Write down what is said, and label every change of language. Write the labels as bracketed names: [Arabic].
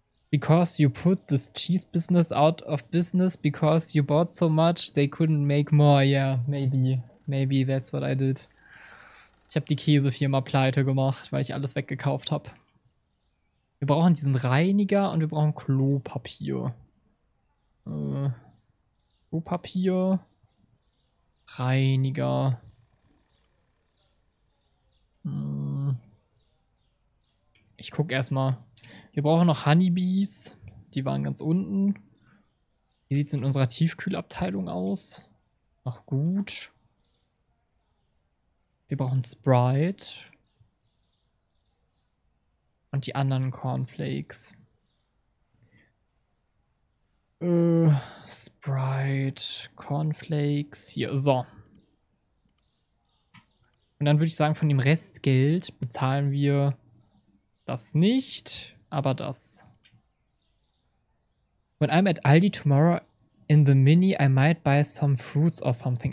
[English] Because you put this cheese business out of business because you bought so much, they couldn't make more. Yeah, maybe. Maybe that's what I did. [German] Ich habe die Käsefirma pleite gemacht, weil ich alles weggekauft habe. Wir brauchen diesen Reiniger und wir brauchen Klopapier. Klopapier. Reiniger. Ich guck erstmal. Wir brauchen noch Honeybees. Die waren ganz unten. Wie sieht es in unserer Tiefkühlabteilung aus? Ach gut. Wir brauchen Sprite. Und die anderen Cornflakes. Sprite, Cornflakes. Hier, so. Und dann würde ich sagen, von dem Restgeld bezahlen wir das nicht, aber das. [English] When I'm at Aldi tomorrow in the mini, I might buy some fruits or something.